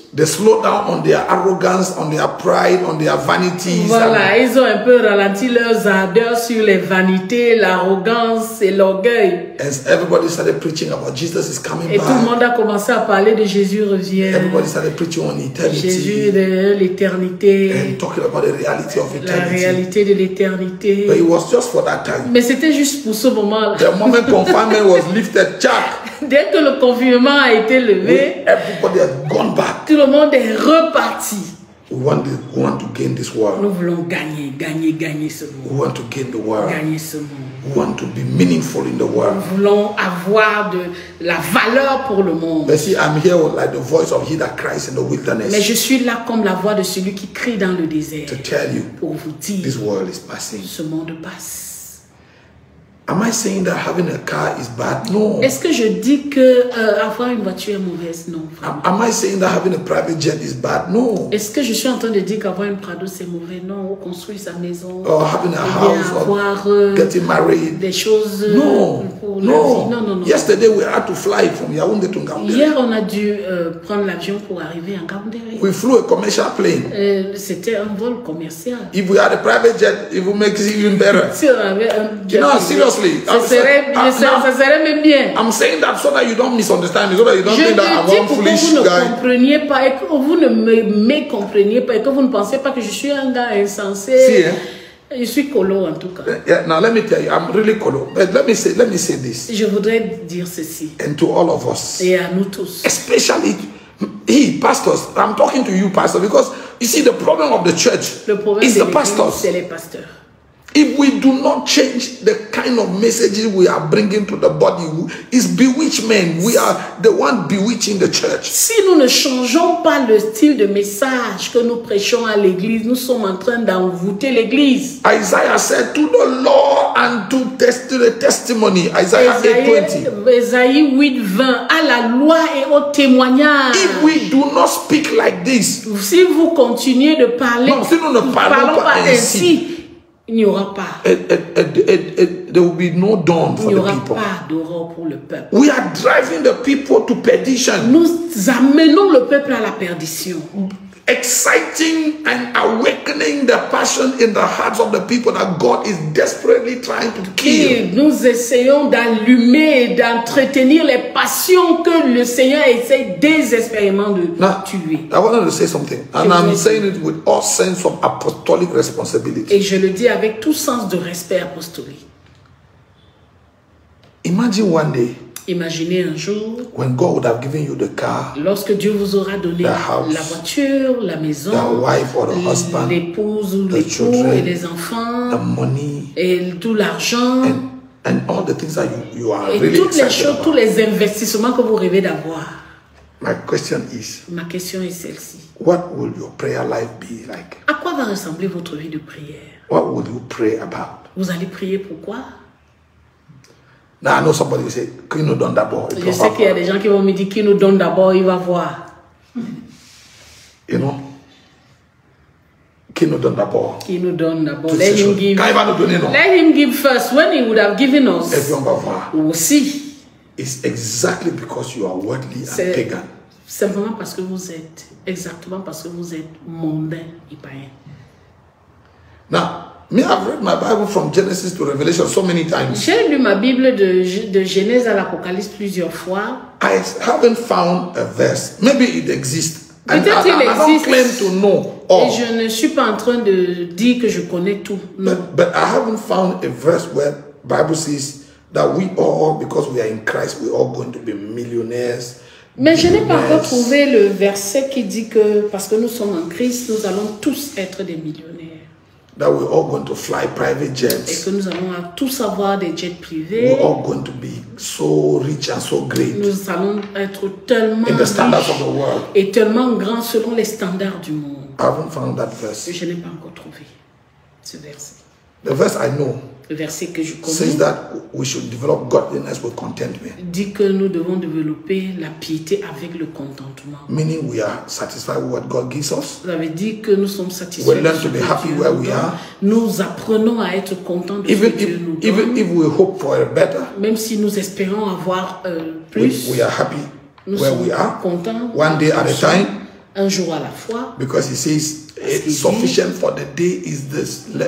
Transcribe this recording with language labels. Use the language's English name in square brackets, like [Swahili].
[English] They slow down on their arrogance, on their pride, on their vanities. [French] Voilà, ils ont un peu ralenti leurs ardeurs sur les vanités, l'arrogance et l'orgueil. [English] As everybody started preaching about Jesus is coming [French] et [English] back. [French] Et tout le monde a commencé à parler de Jésus revient. [English] Everybody started preaching on eternity. [French] Jésus de l'éternité. [English] And talking about the reality of eternity. [French] La réalité de l'éternité. [English] But it was just for that time. [French] Mais c'était juste pour ce moment-là. [English] The moment confinement was lifted, chuck. [French] Dès que le confinement a été levé, [English] everybody has gone back. [French] Tout le monde est reparti. [English] We want to gain this world. [French] Nous voulons gagner ce monde. [English] We want to gain the world. [French] Gagner ce monde. [English] We want to be meaningful in the world. [French] Nous voulons avoir de la valeur pour le monde. [English] But see, I'm here like the voice of he that cries in the wilderness. [French] Mais je suis là comme la voix de celui qui crie dans le désert. [English] To tell you, [French] pour vous dire, [English] this world is passing. [French] Ce monde passe. [English] Am I saying that having a car is bad? No. [French] Est-ce que je dis que avoir une voiture est mauvaise? Non. [English] Am I saying that having a private jet is bad? No. [French] Est-ce que je suis en train de dire qu'avoir une Prado c'est mauvais? Non. Ou construire sa maison. [English] Or having a house. [French] Avoir, [English] getting married. [French] Des choses. [English] No. [French] Non. [English] Yesterday we had to fly from Yaoundé to Ngaoundé. [French] Hier on a dû prendre l'avion pour arriver en Ngaoundé. [English] We flew a commercial plane. [French] C'était un vol commercial. [English] If we had a private jet, it would make it even better. [French] Si on avait un [English] jet. No, seriously. [French] Ça serait même bien. [English] I'm saying that so that you don't misunderstand me, so that you don't [French] je [English] think that I'm one foolish [French] vous [English] guy. [French] Ne compreniez pas et que vous ne me compreniez pas et que vous ne pensiez pas que je suis un gars insensé. Si, hein? Je suis colo en tout cas. [English] Yeah, now let me tell you, I'm really colo. But let me say this. [French] Je voudrais dire ceci. [English] And to all of us. [French] Et à nous tous. [English] Especially he, pastors. I'm talking to you, pastor, because you see the problem of the church [French] le [English] is the pastors. [French] C'est les pasteurs. [English] If we do not change the kind of messages we are bringing to the body, it's bewitchment. We are the one bewitching the church. [French] Si nous ne changeons pas le style de message que nous prêchons à l'église, nous sommes en train d'envoûter l'église. [English] Isaiah said to the law and to the testimony. Isaiah 8:20. [French] À la loi et au témoignage. [English] If we do not speak like this. [French] Si vous continuez de parler. Non, si nous ne parlons pas ainsi. Il n'y aura pas. [English] There will be no dawn for the people. [French] Il n'y aura pas d'aurore pour le peuple. [English] We are driving the people to perdition. [French] Nous amenons le peuple à la perdition. [English] Exciting and awakening the passion in the hearts of the people that God is desperately trying to kill. [French] Et nous essayons d'allumer et d'entretenir les passions que le Seigneur essaie désespérément de [English] Now, [French] tuer. [English] I wanted to say something, and I'm saying it with all sense of apostolic responsibility. [French] Et je le dis avec tout sens de respect apostolique. [English] Imagine one day. [French] Imaginez un jour, [English] when God would have given you the car, [French] lorsque Dieu vous aura donné [English] the house, [French] la voiture, la maison, [English] the wife or the husband, [French] l'épouse ou l'époux, [English] the children, [French] et les enfants, [English] the money, [French] et tout l'argent, [English] and all the things that you are [French] et [English] really [French] toutes les choses, [English] about. [French] Tous les investissements que vous rêvez d'avoir. [English] My question is, [French] ma question est celle-ci. [English] What will your prayer life be like? [French] À quoi va ressembler votre vie de prière? [English] What would you pray about? [French] Vous allez prier pour quoi? [English] Now, I know somebody will say, [French] qui nous donne d'abord? Je sais qu'il y a des gens qui vont me dire, qui nous donne d'abord, il va voir. [English] You know? [French] Qui nous donne d'abord? Qui nous donne d'abord? [English] Let him give. [French] Quand il va nous donner, non? [English] Let him give first. When he would have given us. [French] Et puis on va voir. Aussi. [English] It's exactly because you are worldly and pagan. [French] Simplement parce que vous êtes, exactement parce que vous êtes mondain et païen. [English] Now, me, I've read my Bible from Genesis to Revelation so many times. [French] J'ai lu ma Bible de Genèse à l'Apocalypse plusieurs fois. [English] I haven't found a verse. Maybe it exists. [French] Peut-être [English] and [French] il existe. [English] I don't claim to know all. [French] Et je ne suis pas en train de dire que je connais tout. [English] But I haven't found a verse where Bible says that we all, because we are in Christ, we all going to be millionaires. [French] Mais je n'ai pas retrouvé le verset qui dit que parce que nous sommes en Christ, nous allons tous être des millionnaires. [English] That we're all going to fly private jets. [French] Et que nous allons tous avoir des jets privés. [English] We're all going to be so rich and so great. [French] Nous allons être tellement [English] in the standards of the world. [French] Et tellement grands selon les standards du monde. [English] I haven't found that verse. [French] Je n'ai pas encore trouvé ce verset. [English] The verse I know. [French] Le verset que je connais. [English] Says that we should develop godliness with contentment. [French] Dit que nous devons développer la piété avec le contentement. [English] Meaning we are satisfied with what God gives us. [French] Ça veut dire que nous sommes satisfaits. [English] We learn to be happy where we are. [French] Nous apprenons à être contents de ce que Dieu nous donne. [English] Even if we hope for a better. [French] Même si nous espérons avoir plus. [English] We are happy [French] nous [English] where we are. [French] Contents. [English] One day at a time. [French] Un jour à la fois. [English] Because he says it's sufficient for the day is this.